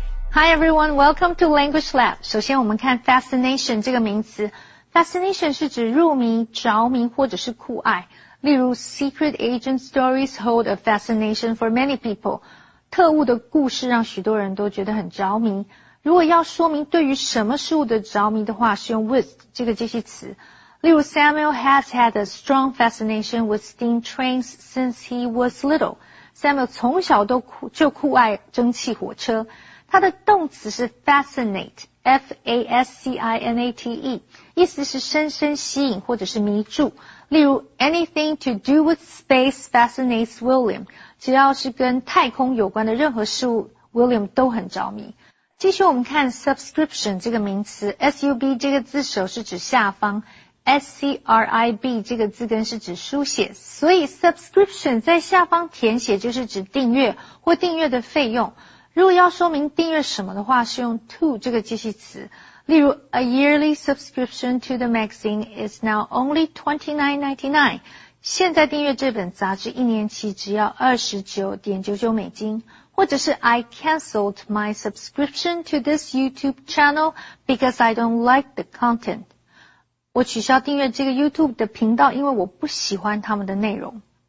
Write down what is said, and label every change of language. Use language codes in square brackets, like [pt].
[en] Hi everyone, welcome to Language Lab. [zh] 首先我们看 fascination 这个名词。 Fascination 是指入迷、着迷或者是酷爱。例如 [en] secret agent stories hold a fascination for many people. [zh] 特务的故事让许多人都觉得很着迷。如果要说明对于什么事物的着迷的话，是用 with 这个介系词。例如 [en] Samuel has had a strong fascination with steam trains since he was little. [zh] Samuel 从小都就酷爱蒸汽火车。它的动词是 fascinate, F-A-S-C-I-N-A-T-E, 意思是深深吸引或者是迷住。例如 [en] anything to do with space fascinates William, [zh] 只要是跟太空有关的任何事物 ,William 都很着迷。继续我们看 subscription 这个名词 ,sub 这个字首是指下方 ,scrib 这个字根是指书写。所以 subscription 在下方填写就是指订阅或订阅的费用。如果要说明订阅什么的话，是用 to 这个介系词。例如 [en] ,a yearly subscription to the magazine is now only $29.99. [zh] 现在订阅这本杂志一年期只要 $29.99 美金。或者是 [en] ,I cancelled my subscription to this YouTube channel because I don't like the content. [zh] 我取消订阅这个 YouTube 的频道，因为我不喜欢他们的内容。